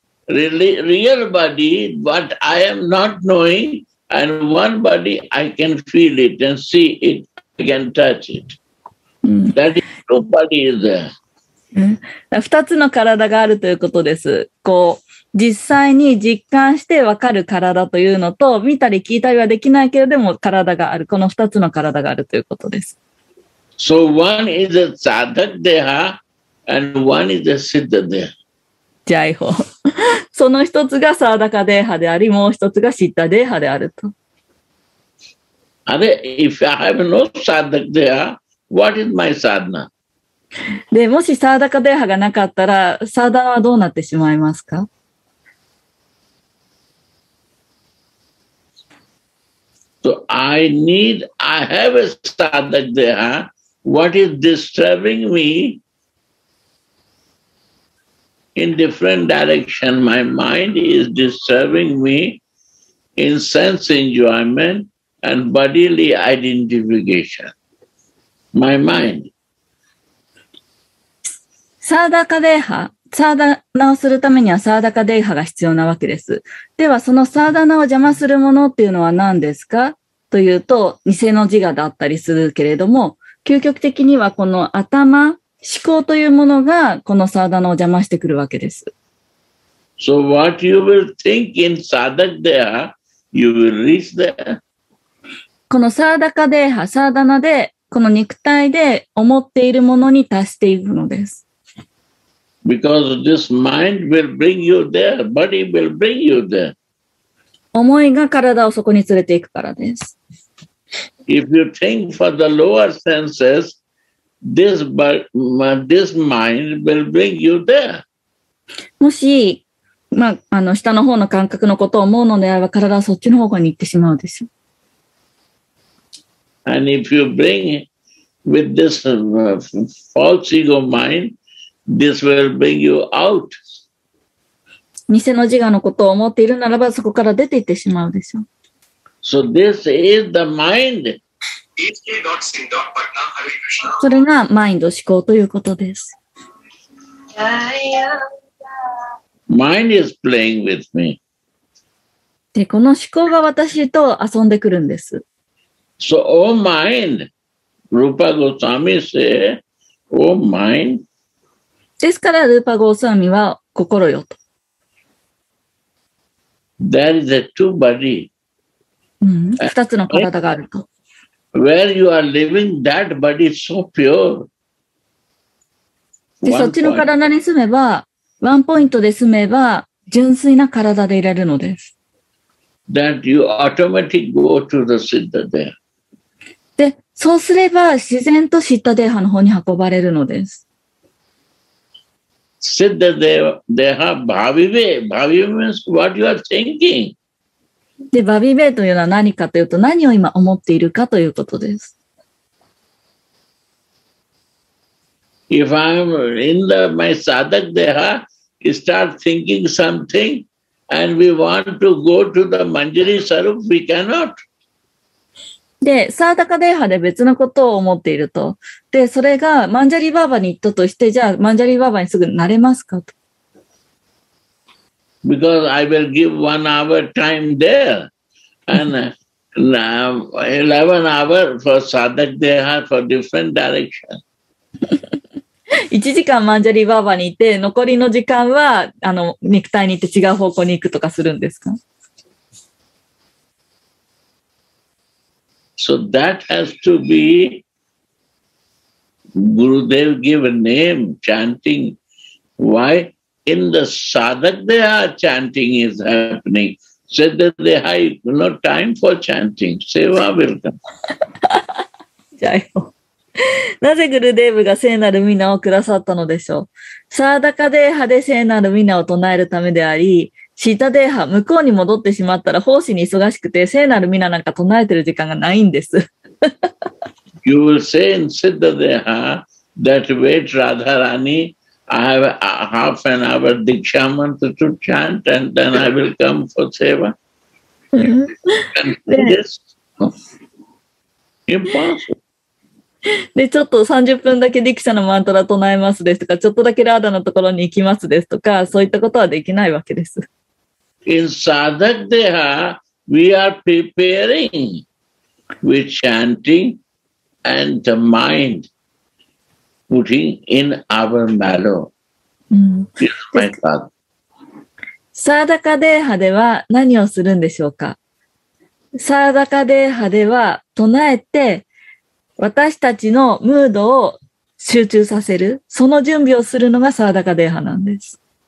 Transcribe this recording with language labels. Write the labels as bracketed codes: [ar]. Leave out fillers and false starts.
[en] Real body, but I am not knowing, and one body I can feel it and see it, I can touch it. That is two bodies there. [ja] 2つの体があるということです。こう、実際に実感して分かる体というのと、見たり聞いたりはできないけれども、体がある。この2つの体があるということです。 [en] So one is a sadhak deha, and one is a siddha deha. [ja] ジャイホ、その一つがサーダカデーハであり、もう一つがシッタデーハであると。 [en] Are if I have no sadhak there, what is my sadhana? [ja] で、もしサーダカデハがなかったら、サーダナはどうなってしまいますか？ [en] So I need, I have a sadhak there. What is disturbing me in different direction? My mind is disturbing me in sense enjoyment and bodily identification. My mind. [ja] サーダカデハ、サーダナをするためにはサーダカデハが必要なわけです。ではそのサーダナを邪魔するものっていうのは何ですか？というと偽の自我だったりするけれども、究極的にはこの頭、思考というものがこのサーダナを邪魔してくるわけです。 [en] So what you will think in sadhak deha, you will reach there. [ja] このサーダカデハ、サーダナでこの肉体で思っているものに達していくのです。 [en] Because this mind will bring you there, body will bring you there. [ja] 思いが体をそこに連れていくからです。 [en] If you think for the lower senses, this mind will bring you there. [ja] もし、まあ、あの下の方の感覚のことを思うのであれば、体はそっちの方向に行ってしまうでしょう。 [en] And if you bring with this false ego mind,This will bring you out. [ja] 偽の自我のことを思っているならばそこから出ていってしまうでしょう。 [en] So this is the mind. [ja] それがマインド思考ということです。 [en] Mind is playing with me. [ja] で、この思考が私と遊んでくるんです。 [en] So, oh mind, Rupa Goswami say, oh mind, [ja] ですから、ルーパ・ゴーサーミは心よと。 [en] There is a two body. [ja] 二つの体があると。 [en] Where you are living, that body is so pure. [ja] で、そっちの体に住めば、ワンポイントで住めば、純粋な体でいられるのです。 [en] That you automatically go to the Siddha Deha. [ja] で、そうすれば、自然とシッタデーハの方に運ばれるのです。 [en] Siddha Deha Bhavive. Bhavive means what you are thinking. [ja] で、Bhavive というのは何かというと、何を今思っているかということです。 [en] If I'm in my Sadhak Deha, start thinking something and we want to go to the Manjari Sarup, we cannot. [ja] で、サーダカデーハで別のことを思っていると。で、それがマンジャリバーバに行ったとして、じゃあマンジャリバーバにすぐなれますかと。 [en] Because I will give 1 hour time there. And 11 hours for Sadhak Deha for different direction. [ja] 1時間マンジャリバーバにいて、残りの時間は、あの、肉体に行って違う方向に行くとかするんですか？ [en] So that has to be Gurudev give a name, chanting. Why? In the Sadhak Deha chanting is happening. Siddha Deha, no time for chanting. Seva will come. [ja] じゃあよ。なぜ Gurudev が聖なる皆をくださったのでしょう。サーダカデーハで聖なる皆を唱えるためであり、シタデーハ、向こうに戻ってしまったら奉仕に忙しくて聖なる皆なんか唱えてる時間がないんです。 [en] You will say in Siddha Deha that wait Radharani, I have a half an hour diksha mantra to chant and then I will come for seva. Yes. Impossible. [ja] で、ちょっと30分だけディクシャのマントラ唱えますですとか、ちょっとだけラーダのところに行きますですとか、そういったことはできないわけです。 [en] In Sadhak Deha, we are preparing. We're chanting and the mind putting in our mellow. This is my father. [ja] Sadhak Deha では何をするんでしょうか？Sadhak Deha では唱えて、私たちのムードを集中させる、その準備をするのがサーダカデーハなんです。